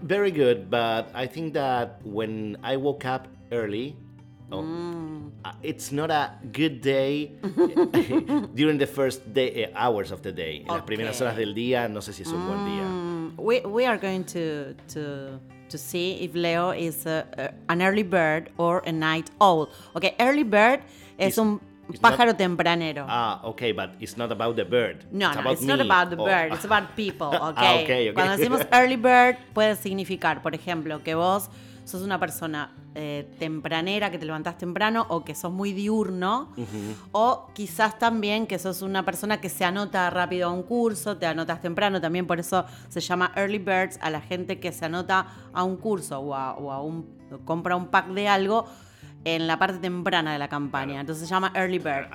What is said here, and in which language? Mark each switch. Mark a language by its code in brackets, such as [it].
[en] Very good, but I think that when I woke up early, it's not a good day during the first day, hours of the day. Okay. [es] Las primeras horas del día, no sé si es un buen día. [en] We are going to see if Leo is an early bird or a night owl. [es] Okay, early bird es un pájaro not, tempranero. [en] Ah, okay, but it's not about the bird. No, it's not about the bird. It's about people, okay? Okay. [es] Cuando decimos early bird, puede significar, por ejemplo, que vos sos una persona tempranera, que te levantás temprano, o que sos muy diurno, uh-huh. O quizás también que sos una persona que se anota rápido a un curso, te anotas temprano, también por eso se llama early birds a la gente que se anota a un curso o compra un pack de algo en la parte temprana de la campaña, entonces se llama early bird.